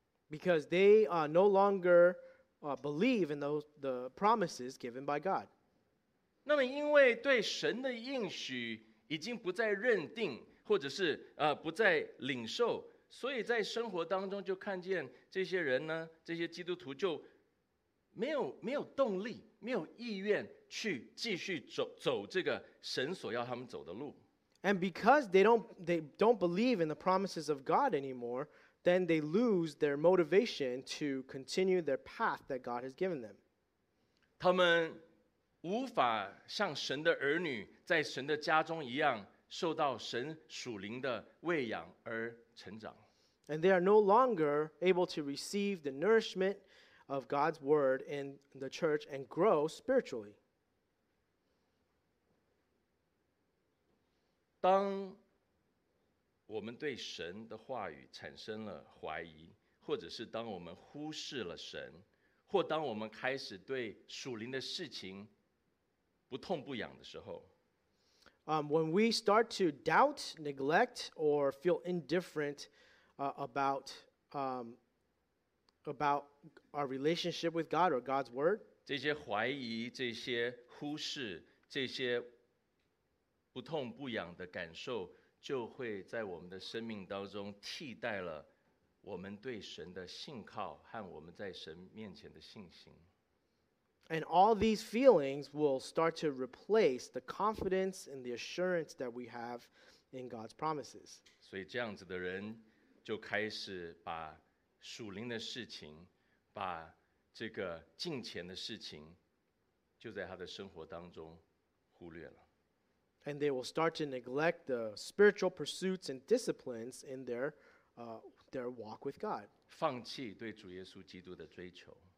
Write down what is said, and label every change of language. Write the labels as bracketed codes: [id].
[en] Because they no longer believe in the promises given by God. [zh] 那么因为对神的应许已经不再认定，或者是不再领受，所以在生活当中就看见这些人呢，这些基督徒就没有动力，没有意愿去继续走这个神所要他们走的路。 [en] And because they don't believe in the promises of God anymore, then they lose their motivation to continue their path that God has given them. [zh] 他们无法像神的儿女在神的家中一样受到神属灵的喂养而成长。 [en] And they are no longer able to receive the nourishment of God's word in the church and grow spiritually. [zh] 当我们对神的话语产生了怀疑，或者是当我们忽视了神，或当我们开始对属灵的事情不痛不痒的时候， [en] when we start to doubt, neglect, or feel indifferent about our relationship with God or God's word, [zh] 这些怀疑，这些忽视，这些不痛不痒的感受就会在我们的生命当中替代了我们对神的信靠和我们在神面前的信心。 [en] And all these feelings will start to replace the confidence and the assurance that we have in God's promises. [zh] 所以这样子的人就开始把属灵的事情，把这个敬虔的事情，就在他的生活当中忽略了。 [en] And they will start to neglect the spiritual pursuits and disciplines in their walk with God. [zh] 放弃对主耶稣基督的追求。